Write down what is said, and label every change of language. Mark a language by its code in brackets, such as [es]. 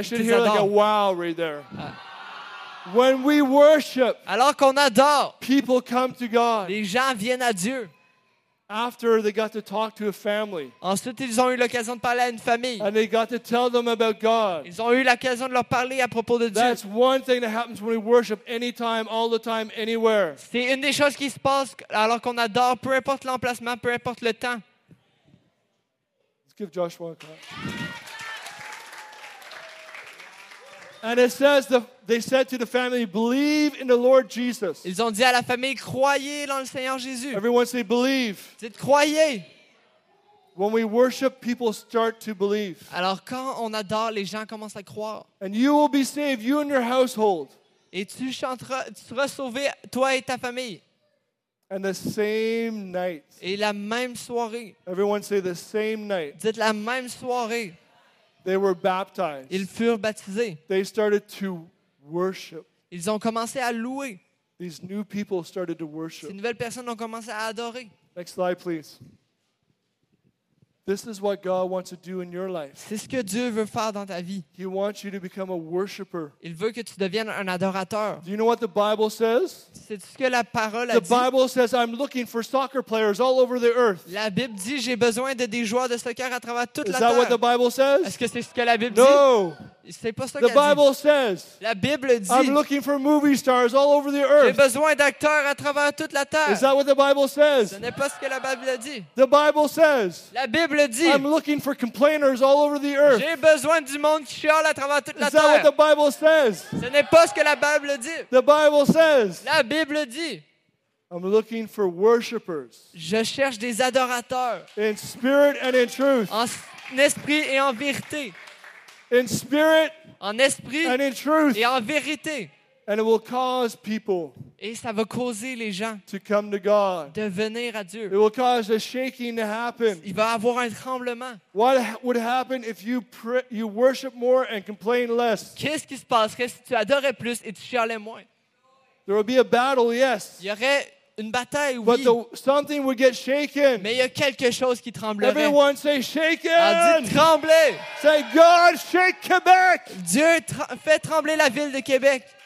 [en] I should hear like a wow right there. When we worship, [fr] alors qu'on adore, [en] people come to God. [fr] Les gens viennent à Dieu. [en] After they got to talk to a family. [fr] Ensuite, ils ont eu l'occasion de parler à une famille. [en] And they got to tell them about God. [fr] Ils ont eu l'occasion de leur parler à propos de Dieu. [en] That's one thing that happens when we worship anytime, all the time, anywhere. [fr] C'est une des choses qui se passe alors qu'on adore, peu importe l'emplacement, peu importe le temps. [en] Let's give Joshua a clap. And it says they said to the family, "Believe in the Lord Jesus." [fr] Ils ont dit à la famille, croyez dans le Seigneur Jésus. [en] Everyone say, "Believe." [fr] Dites croyez. [en] When we worship, people start to believe. [fr] Alors quand on adore, les gens commencent à croire. [en] And you will be saved, you and your household. [fr] Et tu seras sauvé, toi et ta famille. [en] And the same night. [fr] Et la même soirée. [en] Everyone say, "The same night." [fr] Dites la même soirée. [en] They were baptized. [fr] Ils furent baptisés. [en] They started to worship. [fr] Ils ont commencé à louer. [en] These new people started to worship. [fr] Ces nouvelles personnes ont commencé à adorer. [en] Next slide, please. This is what God wants to do in your life. [fr] C'est ce que Dieu veut faire dans ta vie. [en] He wants you to become a worshiper. [fr] Il veut que tu deviennes un adorateur. [en] Do you know what the Bible says? [fr] C'est ce que la parole a dit. [en] The Bible says, "I'm looking for soccer players all over the earth." [fr] La Bible dit, j'ai besoin de des joueurs de soccer à travers toute la terre. [en] Is that what the Bible says? [fr] Est-ce que c'est ce que la Bible dit? [en] No. [fr] C'est pas ça [en] the Bible says, [fr] la Bible dit, [en] "I'm looking for movie stars all over the earth." [fr] J'ai besoin d'acteurs à travers toute la terre. [en] Is that what the Bible says? [fr] Ce n'est pas ce que la Bible a dit. [en] The Bible says, [fr] la Bible dit, [en] "I'm looking for complainers all over the earth." [fr] J'ai besoin du monde qui chiale à travers toute la terre. [en] Is that what the Bible says? [fr] Ce n'est pas ce que la Bible dit. [en] The Bible says, [fr] la Bible dit, [en] "I'm looking for worshipers." [fr] Je cherche des adorateurs. [en] In spirit and in truth. [fr] En esprit et en vérité. [en] In spirit, [fr] en esprit, [en] and in truth, [fr] et en vérité, [en] and it will cause people, [fr] et ça va causer les gens, [en] to come to God, [fr] de venir à Dieu. [en] It will cause a shaking to happen. [fr] Il va avoir un tremblement. [en] What would happen if you worship more and complain less? [fr] Qu'est-ce qui se passerait si tu adorais plus et tu chialais moins? [en] There will be a battle, yes. [fr] Il y aurait une bataille, oui. [en] But something would get shaken. [fr] Mais il y a quelque chose qui tremblerait. [en] Everyone say shaken. [fr] Ah, dites trembler. [en] Say God shake Quebec. [fr] Dieu fait trembler la ville de Québec.